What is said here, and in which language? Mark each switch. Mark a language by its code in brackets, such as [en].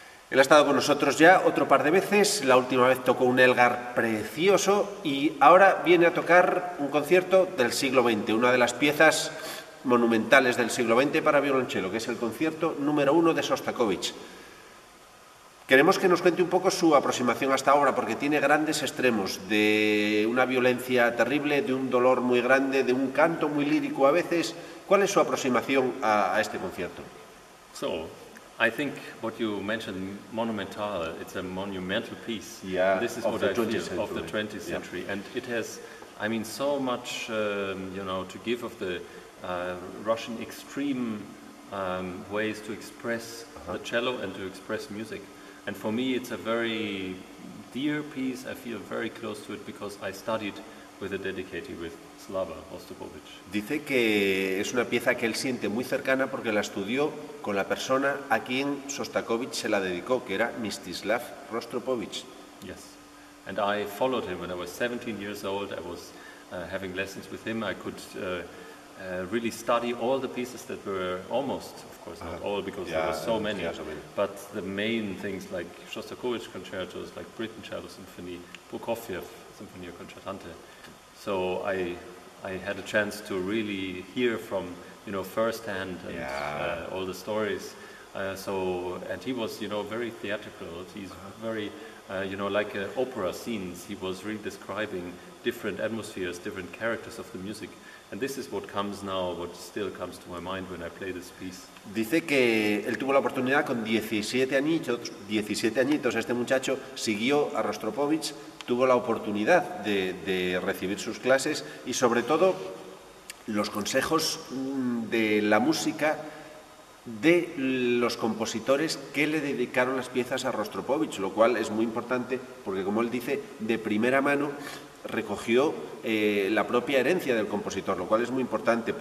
[es] Él ha estado con nosotros ya otro par de veces. La última vez tocó un Elgar precioso y ahora viene a tocar un concierto del siglo XX, una de las piezas monumentales del siglo XX para violonchelo, que es el concierto número uno de Shostakovich. Queremos que nos cuente un poco su aproximación a esta obra, porque tiene grandes extremos, de una violencia terrible, de un dolor muy grande, de un canto muy lírico a veces. ¿Cuál es su aproximación a este concierto? [en] So, I think what you mentioned, monumental, it's a monumental piece. Yeah, this is what I feel of the 20th century. Yeah. And it has, I mean, so much, you know, to give of the Russian extreme ways to express the cello and to express music. And for me, it's a very dear piece. I feel very close to it because I studied with a dedicated with Slava Shostakovich. [es] Dice que es una pieza que él siente muy cercana porque la estudió con la persona a quien Shostakovich se la dedicó, que era Mstislav Rostropovich. [en] Yes, and I followed him when I was 17 years old. I was having lessons with him. I could really study all the pieces that were almost, of course, not all, because there were so many, but the main things like Shostakovich concertos, like Britten cello symphony, Prokofiev symphony or concertante. So I had a chance to really hear from, you know, firsthand and all the stories. So, and he was, you know, very theatrical. He's very, you know, like opera scenes. He was really describing different atmospheres, different characters of the music. And this is what comes now, what still comes to my mind when I play this piece. [es] Dice que él tuvo la oportunidad con 17 añitos, este muchacho siguió a Rostropovich, tuvo la oportunidad de recibir sus clases y sobre todo los consejos de la música de los compositores que le dedicaron las piezas a Rostropovich, lo cual es muy importante porque, como él dice, de primera mano recogió la propia herencia del compositor, lo cual es muy importante.